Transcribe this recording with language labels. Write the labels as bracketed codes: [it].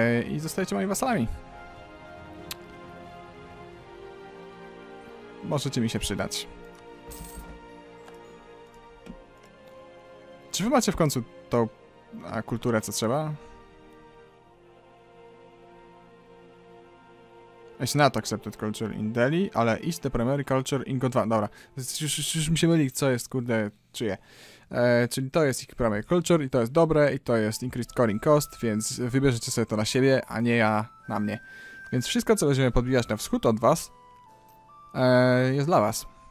[pl] I zostajecie moimi wasalami. Możecie mi się przydać. Czy wy macie w końcu tą kulturę, co trzeba? [en] It's not accepted culture in Delhi, [pl] ale [en] is the primary culture in Gondwana. [pl] Dobra, już mi się myli, co jest, kurde, czyje. Czyli to jest ich primary culture i to jest dobre i to jest [en] increased coring cost, [pl] więc wybierzecie sobie to na siebie, a nie ja na mnie. Więc wszystko, co będziemy podbijać na wschód od was, jest dla was.